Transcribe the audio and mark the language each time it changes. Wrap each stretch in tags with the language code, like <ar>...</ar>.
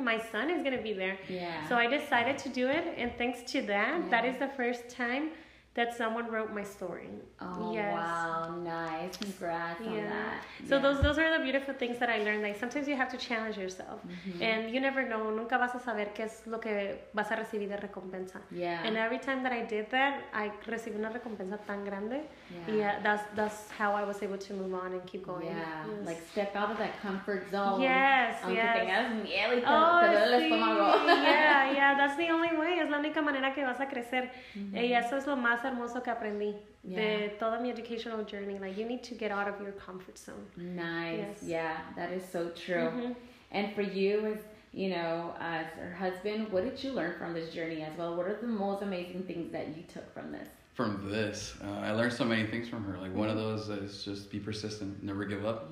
<en>My son is going to be there. Yeah. So I decided to do it. And thanks to that, yeah. that is the first time that someone wrote my story. Oh, yes. Wow. Nice. congrats on that. So those are the beautiful things that I learned. Like sometimes you have to challenge yourself, and you never know.</en> <es>Nunca vas a saber qué es lo que vas a recibir de recompensa.</es> <en>Yeah. And every time that I did that, I</en> <es>recibí una recompensa tan grande.</es> <en>Yeah. Yeah. That's how I was able to move on and keep going. Yeah. Yes. Like step out of that comfort zone. Yes. Yeah. That's the only way.</en> <es>Es la única manera que vas a crecer. Y eso es lo más hermoso que aprendí.</es> <en>Yeah.</en> <es>De toda mi</es> <en>educational journey, like you need to get out of your comfort zone. Nice. Yes. Yeah, that is so true. And for you, as you know, as her husband, what did you learn from this journey as well? What are the most amazing things that you took from this? I learned so many things from her. Like one of those is just be persistent, never give up.</en>